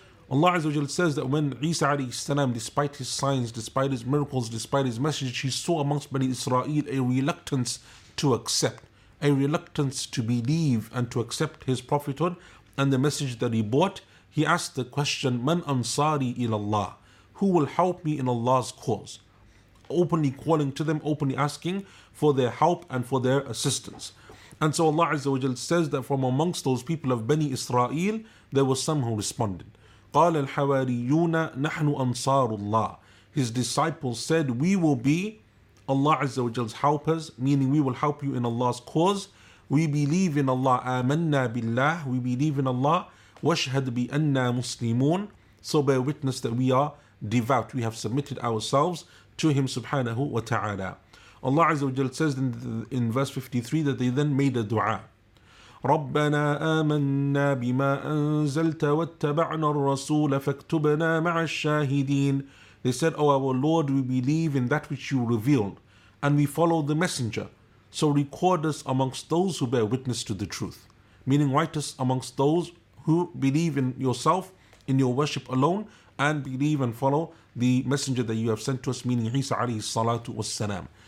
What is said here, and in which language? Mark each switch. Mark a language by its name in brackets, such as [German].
[English] Allah Azza wa Jalla says that when Isa alayhi salam, despite his signs, despite his miracles, despite his message, he saw amongst Bani Israel a reluctance to accept, a reluctance to believe and to accept his prophethood and the message that he brought, he asked the question, [Arabic] "Man ansari ilallah?" [English] Who will help me in Allah's cause? Openly calling to them, openly asking for their help and for their assistance. And so Allah Azza wa Jal says that from amongst those people of Bani Israel, there were some who responded. [Arabic] قال الحواريون نحن أنصار الله. [English] His disciples said, "We will be Allah Azza wa Jal's helpers," meaning we will help you in Allah's cause. "We believe in Allah." [Arabic] Amanna billah. [English] We believe in Allah. [Arabic] Washhad bi anna muslimun. [English] So bear witness that we are devout. We have submitted ourselves to Him subhanahu wa ta'ala. Allah Azza wa Jal says in verse 53 that they then made a dua. [Arabic] ربنا آمنا بما أنزلت واتبعنا الرسول فاكتبنا مع الشاهدين. [English] They said, O our Lord, we believe in that which you revealed, and we follow the messenger. So record us amongst those who bear witness to the truth. Meaning write us amongst those who believe in yourself, in your worship alone, and believe and follow the messenger that you have sent to us, meaning Isa alayhi salatu wassalam.